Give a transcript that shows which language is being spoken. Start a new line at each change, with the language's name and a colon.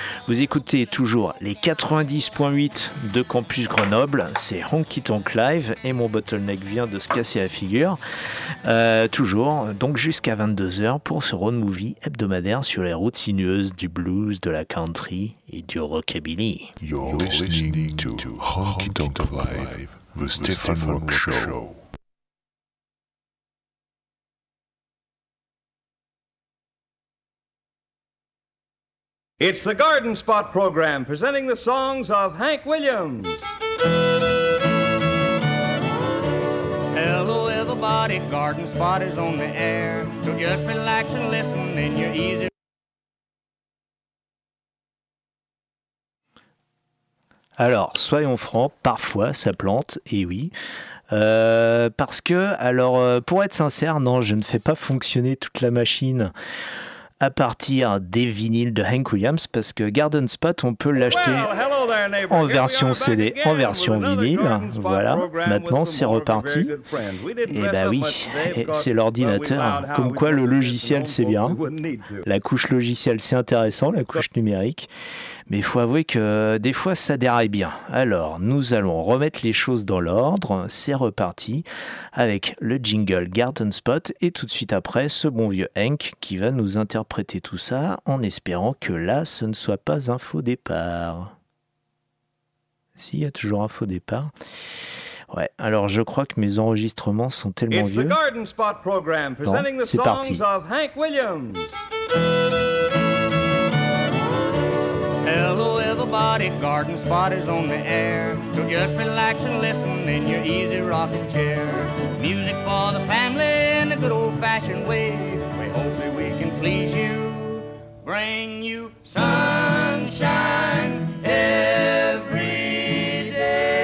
French: Vous écoutez toujours les 90.8 de Campus Grenoble, c'est Honky Tonk Live, et mon bottleneck vient de se casser la figure, toujours, donc jusqu'à 22h pour ce road movie hebdomadaire sur les routes sinueuses du blues, de la country et du rockabilly.
English: You're listening to Honky Tonk Live, the Stephen Rock Show. It's the Garden Spot program, presenting the songs of Hank Williams. Hello, everybody. Garden Spot is on the air. So just relax and listen in your easy...
French: Alors, soyons francs, parfois ça plante, et oui... parce que, alors, pour être sincère, non, je ne fais pas fonctionner toute la machine... à partir des vinyles de Hank Williams, parce que Garden Spot, on peut l'acheter en version CD, en version vinyle. Voilà, maintenant c'est reparti. Et bah oui, c'est l'ordinateur. Comme quoi le logiciel, c'est bien. La couche logicielle, c'est intéressant, la couche numérique. Mais il faut avouer que des fois, ça déraille bien. Alors, nous allons remettre les choses dans l'ordre. C'est reparti avec le jingle Garden Spot. Et tout de suite après, ce bon vieux Hank qui va nous interpréter tout ça en espérant que là, ce ne soit pas un faux départ. S'il y a toujours un faux départ. Ouais, alors je crois que mes enregistrements sont tellement vieux.
English: It's the Garden Spot program presenting the songs
French: parti.
English: Of Hank Williams. Hello everybody, Garden Spot is on the air. So just relax and listen in your easy rocking chair. Music for the family in a good old-fashioned way. We hope that we can please you, bring you sunshine every day.